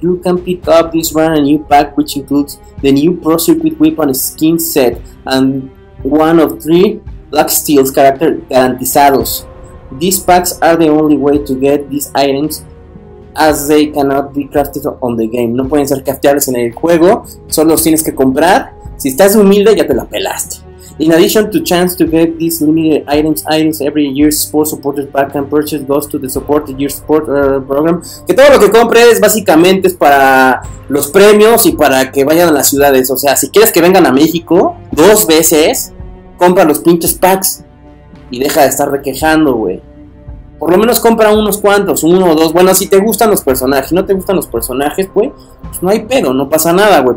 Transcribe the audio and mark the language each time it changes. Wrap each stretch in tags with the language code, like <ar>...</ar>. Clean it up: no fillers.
<en>You can pick up this brand new pack, which includes the new Pro Circuit Weapon Skin Set and one of three Black Steels character garantizados. These packs are the only way to get these items as they cannot be crafted on the game.</en> <es>No pueden ser crafteables en el juego, solo los tienes que comprar. Si estás humilde, ya te la pelaste.</es> <en>In addition to chance to get these limited items every year, Sports Supporter Pack and Purchase goes to the Supported Year Support Program.</en> <es>Que todo lo que compres básicamente es para los premios y para que vayan a las ciudades. O sea, si quieres que vengan a México dos veces, compra los pinches packs y deja de estar requejando, güey. Por lo menos compra unos cuantos, uno o dos. Bueno, si te gustan los personajes. Si no te gustan los personajes, güey, pues no hay pedo, no pasa nada, güey.</es>